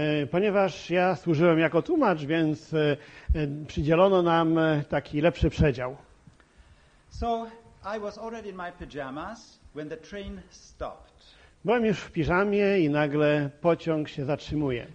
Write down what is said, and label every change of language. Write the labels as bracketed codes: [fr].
[pl] Ponieważ ja służyłem jako tłumacz, więc przydzielono nam taki lepszy przedział. [en] So I was already in my pajamas when the train stopped. [pl] Byłem już w piżamie i nagle pociąg się zatrzymuje.